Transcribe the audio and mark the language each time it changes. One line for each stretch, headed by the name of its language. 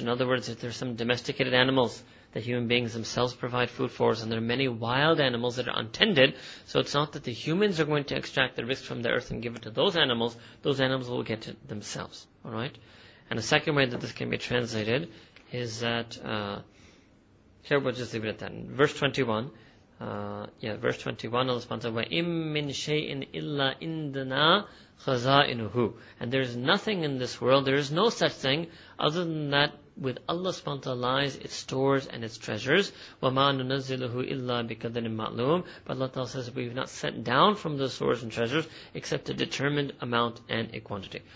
English: In other words, if there are some domesticated animals that human beings themselves provide food for us, and there are many wild animals that are untended, so it's not that the humans are going to extract the risk from the earth and give it to those animals will get it themselves, alright? And the second way that this can be translated is that, here we'll just leave it at that. Verse 21, Allah subhanahu wa ta'ala,
Arabic: وَإِمْ مِنْ شَيْءٍ إِلَّا إِنْدَنَا خَزَائِنُهُ.
English: And there is nothing in this world, there is no such thing other than that with Allah subhanahu wa ta'ala lies its stores and its treasures.
Arabic: وَمَا نُنَزِّلُهُ إِلَّا بِقَدْرٍ مَعْلُومٍ.
English: But Allah ta'ala says, we have not sent down from the stores and treasures except a determined amount and a quantity.